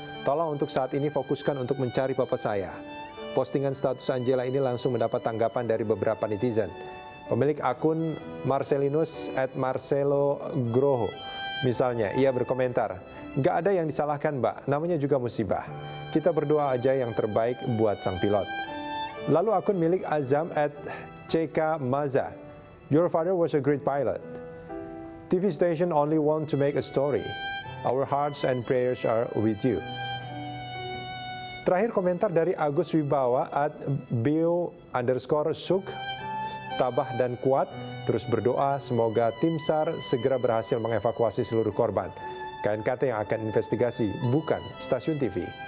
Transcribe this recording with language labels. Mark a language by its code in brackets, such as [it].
[id] Tolong untuk saat ini fokuskan untuk mencari papa saya." Postingan status Angela ini langsung mendapat tanggapan dari beberapa netizen. Pemilik akun Marcelinus @marcelogroho misalnya, ia berkomentar, "Gak ada yang disalahkan, Mbak, namanya juga musibah. Kita berdoa aja yang terbaik buat sang pilot." Lalu akun milik [en] Azam @ckmaza, "Your father was a great pilot. TV station only want to make a story. Our hearts and prayers are with you." [id] Terakhir komentar dari Agus Wibawa @bio_suk, "Tabah dan kuat, terus berdoa semoga tim SAR segera berhasil mengevakuasi seluruh korban. KNKT yang akan investigasi, bukan stasiun TV."